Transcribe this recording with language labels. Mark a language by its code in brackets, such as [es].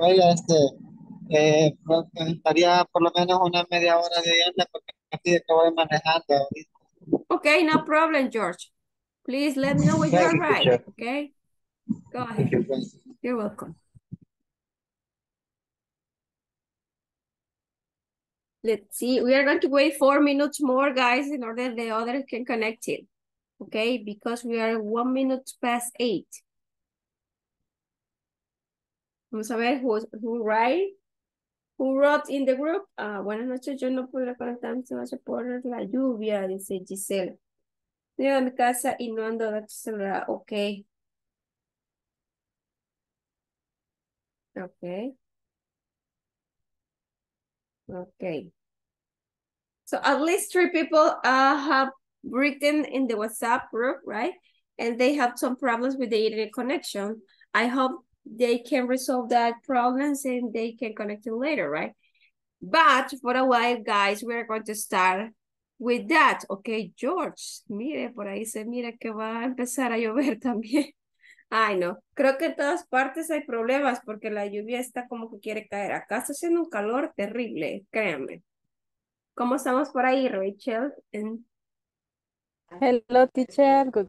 [es] Oye, necesitaría por lo menos una media hora de llanta porque aquí estoy manejando. [en] Ok, no problem, George. Please let me know when you're right, ok? Go ahead. You're welcome. Let's see, we are going to wait 4 minutes more, guys, in order the others can connect it. Okay, because we are 1 minute past 8. [es] Vamos a ver [en] who wrote in the group. [es] Buenas noches, yo no puedo conectarme, se va a poner la lluvia, dice Giselle. Llego a mi casa y no ando a tu celular. [en] Okay. Okay. Okay. So at least 3 people have written in the WhatsApp group, right? And they have some problems with the internet connection. I hope they can resolve that problems and they can connect to later, right? But for a while, guys, we're going to start with that. [es] Okay, George, mire, por ahí se mira que va a empezar a llover también. Ay, no. Creo que en todas partes hay problemas porque la lluvia está como que quiere caer. Acá está haciendo un calor terrible, créanme. ¿Cómo estamos por ahí, Rachel? [en] Hello, teacher. Good